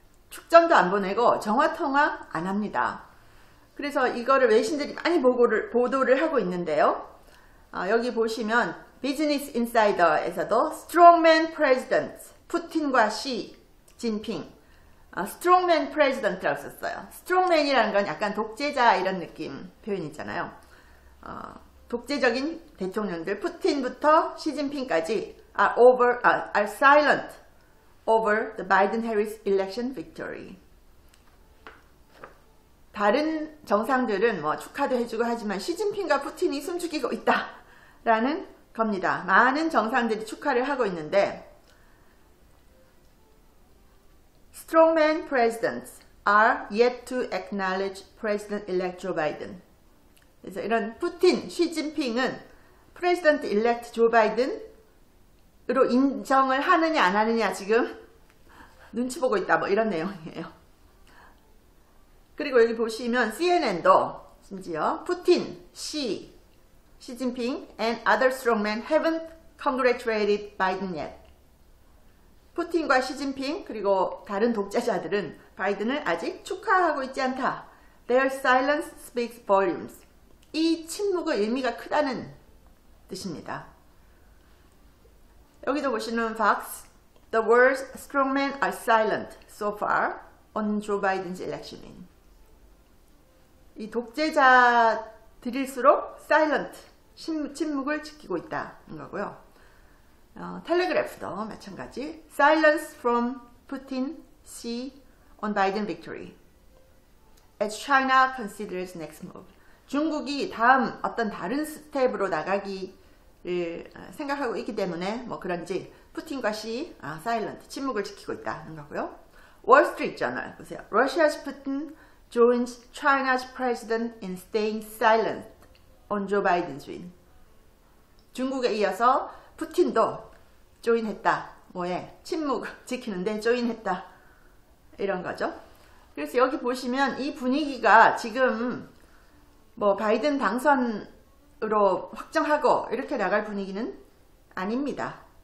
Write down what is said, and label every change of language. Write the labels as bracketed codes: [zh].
[ko] 축전도 안 보내고 정화통화 안 합니다. 그래서 이거를 외신들이 많이 보도를 하고 있는데요. 여기 보시면 비즈니스 인사이더에서도 Strongman President 푸틴과 시 진핑 Strongman President라고 썼어요. Strongman이라는 건 약간 독재자 이런 느낌 표현 있잖아요. 독재적인 대통령들 푸틴부터 시진핑까지 [en] are silent over the Biden-Harris election victory. [ko] 다른 정상들은 뭐 축하도 해주고 하지만 시진핑과 푸틴이 숨죽이고 있다 라는 겁니다. 많은 정상들이 축하를 하고 있는데 [en] Strongman presidents are yet to acknowledge President-elect Joe Biden. [ko] 그래서 이런 푸틴, 시진핑은 President-elect Joe Biden으로 인정을 하느냐 안 하느냐 지금 눈치 보고 있다 뭐 이런 내용이에요. 그리고 여기 보시면 CNN도 심지어 푸틴, 시 시진핑 [en] and other strongmen haven't congratulated Biden yet. [ko] 푸틴과 시진핑 그리고 다른 독재자들은 바이든을 아직 축하하고 있지 않다. [en] Their silence speaks volumes. [ko] 이 침묵의 의미가 크다는 뜻입니다. 여기도 보시는 [en] Fox, the world's strongmen are silent so far on Joe Biden's election. [ko] 이 독재자들일수록 silent, 침묵을 지키고 있다는 거고요. 텔레그래프도 마찬가지. [en] Silence from Putin, see on Biden victory. As China considers next move. [ko] 중국이 다음 어떤 다른 스텝으로 나가기를 생각하고 있기 때문에 뭐 그런지 푸틴과 시 silent, 침묵을 지키고 있다는 거고요. [en] Wall Street Journal [ko] 보세요. [en] Russia's Putin joins China's president in staying silent on Joe Biden's win. [ko] 중국에 이어서 푸틴도 조인했다. 뭐에 침묵 지키는데 조인했다. 이런 거죠. 그래서 여기 보시면 이 분위기가 지금 뭐 바이든 당선으로 확정하고 이렇게 나갈 분위기는 아닙니다.